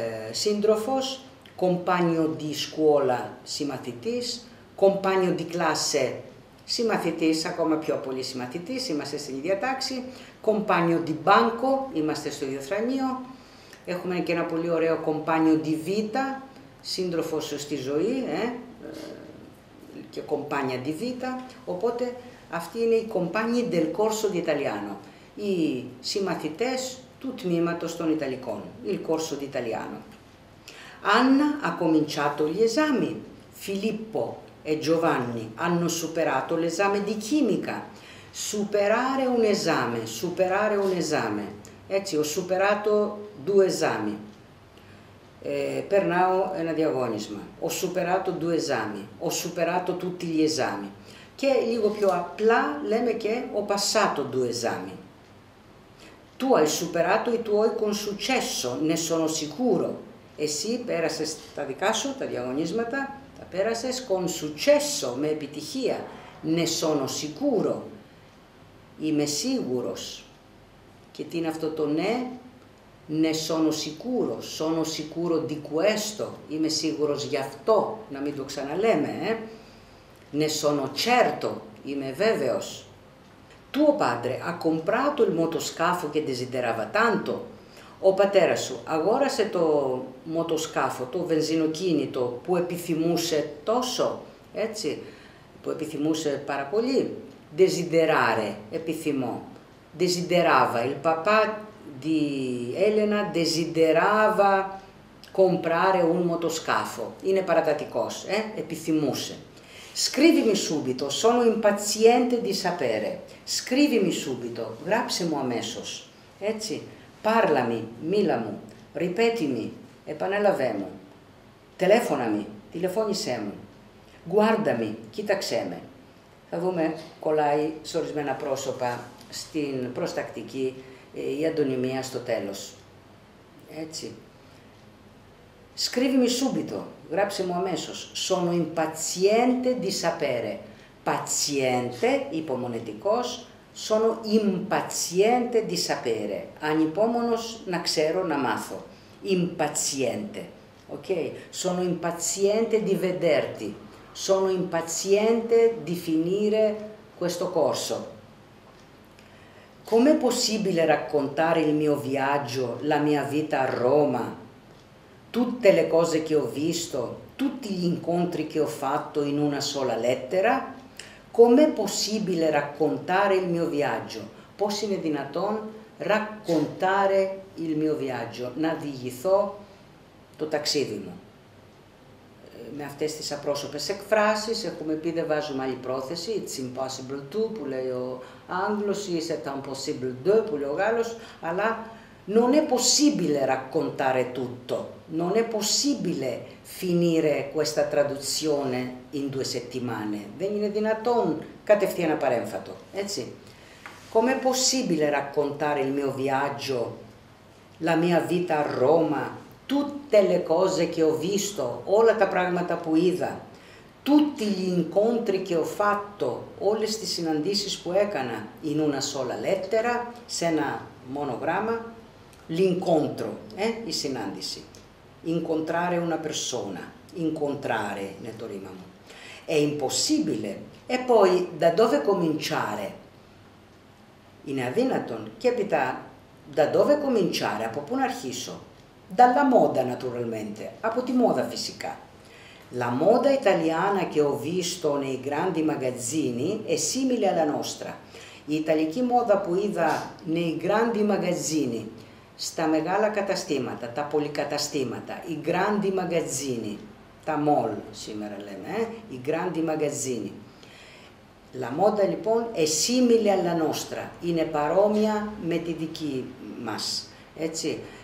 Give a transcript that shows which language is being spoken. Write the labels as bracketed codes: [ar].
[el] σύντροφος, [it] compagno di scuola, [el] συμμαθητής, [it] compagno di classe, [el] συμμαθητής, ακόμα πιο πολύ συμμαθητής, είμαστε στην ίδια τάξη, [it] compagno di banco, [el] είμαστε στο ίδιο θρανείο, έχουμε και ένα πολύ ωραίο [it] compagno di vita, [el] σύντροφος στη ζωή, και [it] compagna di vita, [el] οπότε αυτή είναι η [it] compagni del corso di italiano. [el] Οι συμμαθητές του τμήματος των Ιταλικών, [it] il corso d'italiano. Anna ha cominciato gli esami, Filippo e Giovanni hanno superato l'esame di chimica. Superare un esame, superare un esame. [el] Έτσι, [it] ho superato due esami. [el] Περνάω ένα διαγώνισμα. [it] Ho superato due esami, ho superato tutti gli esami. [el] Και λίγο πιο απλά λέμε και [it] ho passato due esami. Tu hai superato i tuoi con successo, ne sono sicuro. [el] Εσύ πέρασες τα δικά σου, τα διαγωνίσματα, τα πέρασες [it] con successo, [el] με επιτυχία. [it] Ne sono sicuro. [el] Είμαι σίγουρος. Και τι είναι αυτό το ναι? [it] Ne sono sicuro. Sono sicuro di questo. [el] Είμαι σίγουρος γι' αυτό. Να μην το ξαναλέμε, [it] Ne sono certo. [el] Είμαι βέβαιος. [it] Tuo padre ha comprato il motoscafo che desiderava tanto. [el] Ο πατέρας σου αγόρασε το μοτοσκάφο, το βενζινοκίνητο που επιθυμούσε τόσο, έτσι, που επιθυμούσε πάρα πολύ. [it] Desiderare, [el] επιθυμώ. [it] Desiderava, il papà di Elena desiderava comprare un motoscafo. [el] Είναι παρατατικός, επιθυμούσε. [it] Scrivimi subito, sono impaziente di sapere. Scrivimi subito, [el] γράψε μου αμέσως, έτσι. [it] Parlami, [el] μίλα μου, [it] ripetimi, [el] επανέλαβέ μου. [it] Telefonami, [el] τηλεφώνησέ μου. [it] Guardami, [el] κοίταξέ με. Θα δούμε, κολλάει σε ορισμένα πρόσωπα στην προστακτική η αντωνυμία στο τέλος. Έτσι. [it] Scrivimi subito, [el] γράψε μου αμέσως. [it] Sono impaziente di sapere. Paziente, [el] υπομονετικός, [it] sono impaziente di sapere. [el] Ανυπόμονος, να ξέρω, να μάθω. [it] Impaziente, ok? Sono impaziente di vederti. Sono impaziente di finire questo corso. Com'è possibile raccontare il mio viaggio, la mia vita a Roma? Tutte le cose che ho visto, tutti gli incontri che ho fatto in una sola lettera? Com'è possibile raccontare il mio viaggio? [el] Πώς είναι δυνατόν [it] raccontare il mio viaggio, [el] να διηγηθώ το ταξίδι μου. με αυτές τις απρόσωπες εκφράσεις έχουμε πει δεν βάζουμε άλλη πρόθεση, [en] it's impossible to [el] που λέει ο Άγγλος ή [fr] c'est impossible de [el] που λέει ο Γάλλος, αλλά [it] non è possibile raccontare tutto, non è possibile finire questa traduzione in due settimane, [el] δεν είναι δυνατόν κατευθείαν απαρέμφατο, έτσι. [it] Com'è possibile raccontare il mio viaggio, la mia vita a Roma, tutte le cose che ho visto, [el] όλα τα πράγματα που είδα, [it] tutti gli incontri che ho fatto, [el] όλες τις συναντήσεις που έκανα, [it] in una sola lettera, [el] σε ένα μονογράμμα, [it] l'incontro, eh? [el] Η συνάντηση. [it] Incontrare una persona, incontrare, [el] είναι το ρήμα μου. [it] È impossibile. E poi, da dove cominciare? [el] Είναι αδύνατον. Και έπειτα, [it] da dove cominciare, [el] από πού να αρχίσω? [it] Dalla moda, naturalmente. [el] Από τη moda, φυσικά. [it] La moda italiana che ho visto nei grandi magazzini è simile alla nostra. [el] Η ιταλική moda που είδα [it] nei grandi magazzini, [el] στα μεγάλα καταστήματα, τα πολυκαταστήματα, οι [it] grandi magazzini, [el] τα mall σήμερα λέμε, οι grandi magazzini. [it] La moda, [el] λοιπόν, [it] è simile alla nostra, [el] είναι παρόμοια με τη δική μας, έτσι.